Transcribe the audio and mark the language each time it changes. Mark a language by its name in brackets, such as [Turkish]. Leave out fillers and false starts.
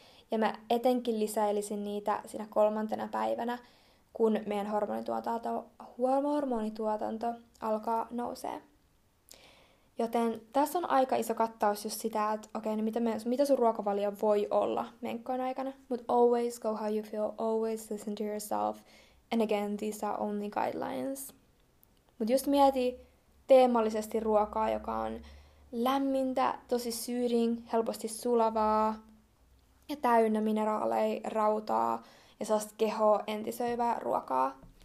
[Finnish] Ja mä etenkin lisäilisin niitä siinä kolmantena päivänä, kun meidän hormonituotanto alkaa nousee. Joten tässä on aika iso kattaus just sitä, että okei, niin mitä sun ruokavalio voi olla menkkojen aikana. [English] But always go how you feel, always listen to yourself. And again, these are only guidelines. [Finnish] Mut just mieti teemallisesti ruokaa, joka on lämmintä, tosi syring, helposti sulavaa. Ja täynnä mineraaleja, rautaa ja sellaista kehoa entisöivää ruokaa.